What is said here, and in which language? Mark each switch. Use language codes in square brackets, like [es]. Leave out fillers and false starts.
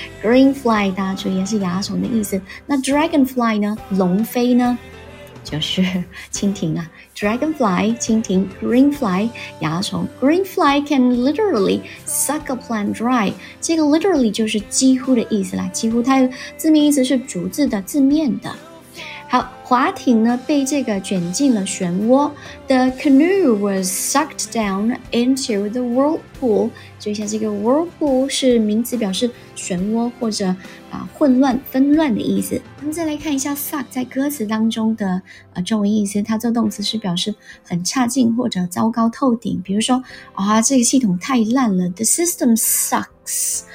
[en] green fly 大家注意是蚜虫的意思，那 dragonfly 呢，龙飞呢，就是蜻蜓啊， dragonfly 蜻蜓， green fly 蚜虫， green fly can literally suck a plant dry， [zh] 这个 literally 就是几乎的意思啦，几乎它字面意思是竹子的字面的。好，划艇呢被这个卷进了漩涡， [en] The canoe was sucked down into the whirlpool。 [zh] 就像这个 whirlpool 是名词，表示漩涡或者、混乱纷乱的意思。我们再来看一下 suck 在歌词当中的、中文意思，它做动词是表示很差劲或者糟糕透顶，比如说啊，这个系统太烂了， [en] The system sucks。